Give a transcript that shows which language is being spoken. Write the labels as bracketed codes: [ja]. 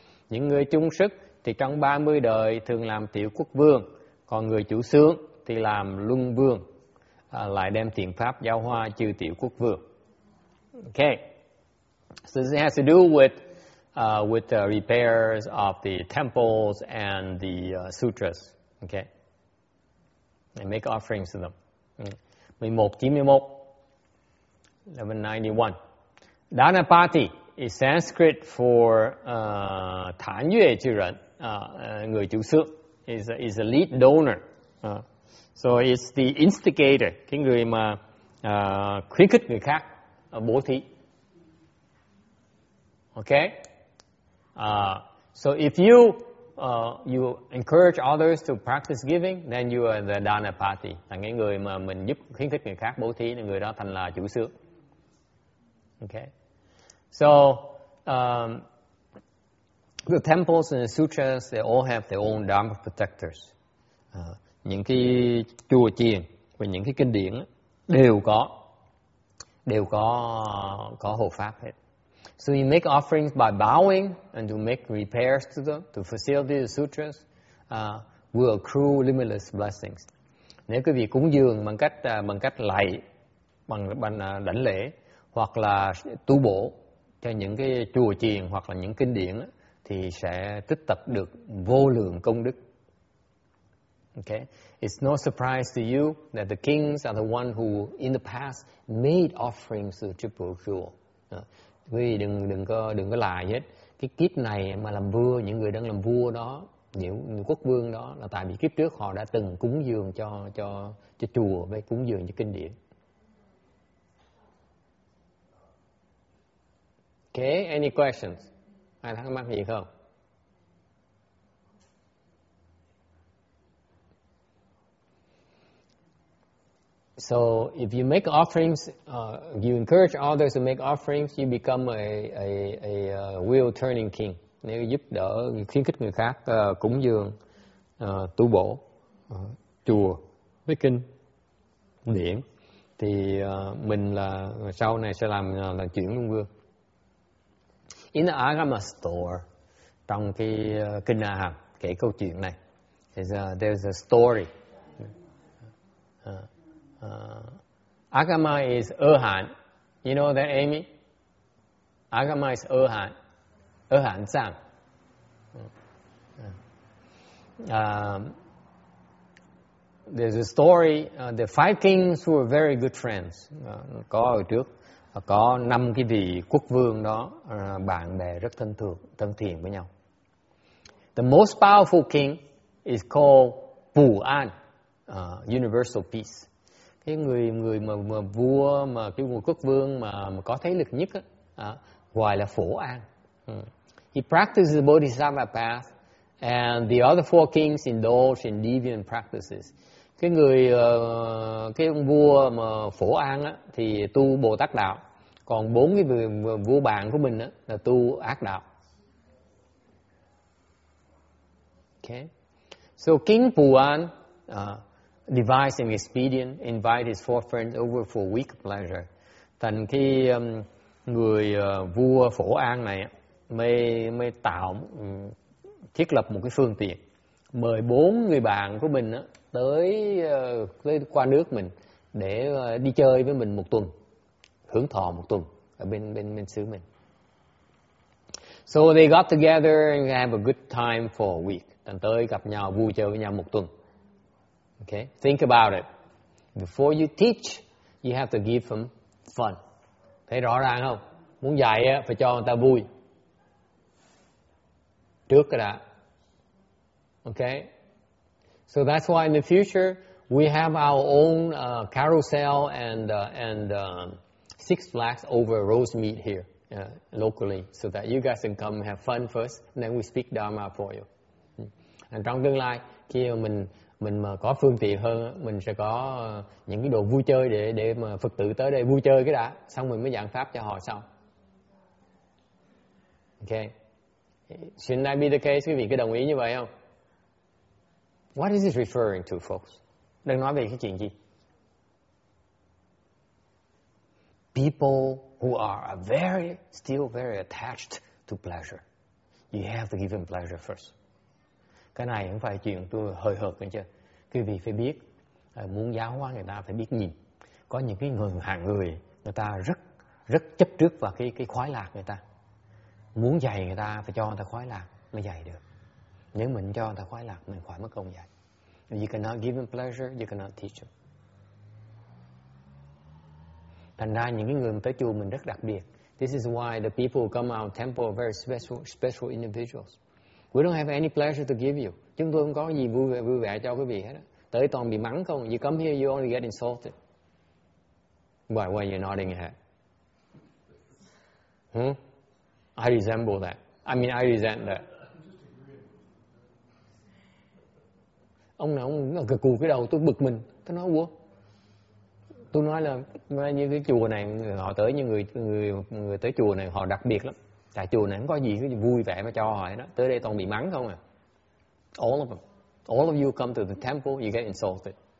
[vi] Những người chung sức thì trong 30 đời thường làm tiểu quốc vương, còn người chủ xướng thì làm luân vương, lại đem thiện pháp giáo hóa chư tiểu quốc vương. [en] Okay, so this has to do with the repairs of the temples and the sutras. Okay, and make offerings to them. 11.91. Dhanapati is Sanskrit for Thán Yue Chư Rận, [vi] người chủ xướng, [en] is a lead donor. So it's the instigator, [vi] cái người mà khuyến khích người khác bố thí. [en] Okay? So if you encourage others to practice giving, then you are the Dhanapati, [vi] là cái người mà mình giúp khuyến khích người khác bố thí, thì người đó thành là chủ xướng. [en] Okay? So the temples and the sutras, they all have their own Dharma protectors. [vi] Những cái chùa chiền và những cái kinh điển đều có hộ pháp hết. [en] So you make offerings by bowing and to make repairs to them, to facilitate the sutras, will accrue limitless blessings. [vi] Nếu quý vị cúng dường bằng cách lạy, bằng đảnh lễ hoặc là tu bổ cho những cái chùa chiền hoặc là những kinh điển thì sẽ tích tập được vô lượng công đức. [en] Okay, it's no surprise to you that the kings are the one who, in the past, made offerings to the Triple Jewel. [vi] Quý vị đừng có lại hết. Cái kiếp này mà làm vua, những người đang làm vua đó, những quốc vương đó là tại vì kiếp trước họ đã từng cúng dường cho chùa với cúng dường cho kinh điển. [en] Okay, any questions? [vi] Ai thắc mắc gì không? [en] So if you make offerings, you encourage others to make offerings, you become a wheel turning king. [vi] Nếu giúp đỡ, khuyến khích người khác cúng dường, tu bổ, chùa, với kinh, điển, thì mình là sau này sẽ làm là chuyển luân vương. [en] In the Agama store, [vi] trong cái kinh A Hàm kể câu chuyện này, [en] there's a story. Agama is Erhan. You know that, Amy? Agama is Erhan. Erhan Zhang. There's a story. The five kings who were very good friends. [vi] Có ở trước. Có năm cái vị quốc vương đó. Bạn bè rất thân thiện với nhau. [en] The most powerful king is called Bù An. Universal Peace. [vi] Cái người mà vua mà cái người quốc vương mà có thế lực nhất á, gọi là Phổ An. [en] He practices the Bodhisattva path and the other four kings indulge in deviant practices. [vi] Cái người cái ông vua mà Phổ An á thì tu Bồ Tát đạo, còn bốn cái người vua bạn của mình á là tu ác đạo. [en] Okay. So King Phổ An devised an expedient, invite his four friends over for a week of pleasure. [vi] Thành khi người vua Phổ An này mới tạo thiết lập một cái phương tiện, mời bốn người bạn của mình tới qua nước mình để đi chơi với mình một tuần, hưởng thọ một tuần ở bên xứ mình. [en] So they got together and have a good time for a week. [vi] Thành tới gặp nhau vui chơi với nhau một tuần. [en] Okay, think about it. Before you teach, you have to give them fun. [vi] Thấy rõ ràng không? Muốn dạy á, phải cho người ta vui. Trước cái đã. Okay. [en] So that's why in the future we have our own carousel and Six Flags over Rosemead here locally, so that you guys can come have fun first, and then we speak Dharma for you. And [vi] trong tương lai khi mình mình mà có phương tiện hơn, mình sẽ có những cái đồ vui chơi để mà Phật tử tới đây vui chơi cái đã, xong mình mới giảng pháp cho họ sau. [en] Ok. Shouldn't that be the case? [vi] Quý vị có đồng ý như vậy không? [en] What is this referring to, folks? [vi] Đang nói về cái chuyện gì? [en] People who are still very attached to pleasure. You have to give them pleasure first. [vi] Cái này không phải chuyện tôi hơi hợp nữa chứ. Quý vị phải biết, muốn giáo hóa người ta phải biết nhìn. Có những cái người hạng người, người ta rất rất chấp trước vào cái khoái lạc người ta. Muốn dạy người ta phải cho người ta khoái lạc mới dạy được. Nếu mình cho người ta khoái lạc, mình khỏi mất công dạy. [en] You cannot give them pleasure, you cannot teach them. [vi] Thành ra những cái người tới chùa mình rất đặc biệt. [en] This is why the people who come out temple are very special individuals. We don't have any pleasure to give you. [vi] Chúng tôi không có gì vui vẻ cho quý vị hết. Tới toàn bị mắng không. [en] You come here, you only get insulted. Why you're nodding your head? Hmm? I resemble that. I mean, I resent that. [vi] Ông nào ông cù cái đầu, tôi bực mình. Tôi nói, ủa? Tôi nói là như cái chùa này, họ tới như người tới chùa này, họ đặc biệt lắm. Tại chùa này không có gì vui vẻ mà cho họ đó. Tới đây toàn bị mắng không à. [en] All of them. All of you come to the temple, you get insulted.